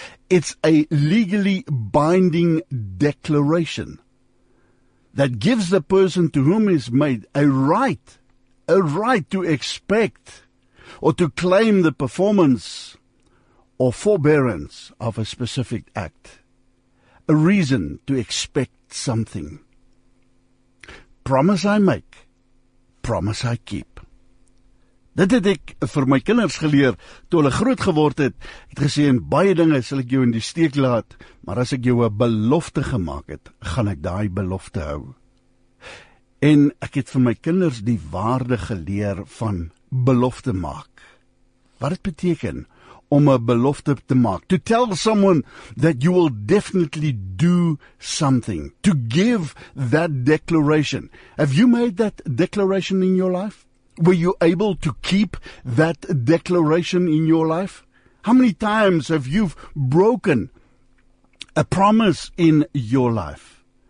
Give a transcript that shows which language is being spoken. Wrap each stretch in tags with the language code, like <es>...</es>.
<en>It's a legally binding declaration that gives the person to whom it's made a right to expect or to claim the performance or forbearance of a specific act, a reason to expect something. Promise I make, promise I keep.</en> <af>Dit het ek vir my kinders geleer, toe hulle groot geword het, het gesê, in baie dinge sal ek jou in die steek laat, maar as ek jou 'n belofte gemaak het, gaan ek daai belofte hou. En ek het vir my kinders die waarde geleer van belofte maak. Wat het beteken om 'n belofte te maak?</af> <en>To tell someone that you will definitely do something. To give that declaration. Have you made that declaration in your life? Were you able to keep that declaration in your life? How many times have you broken a promise in your life?</en>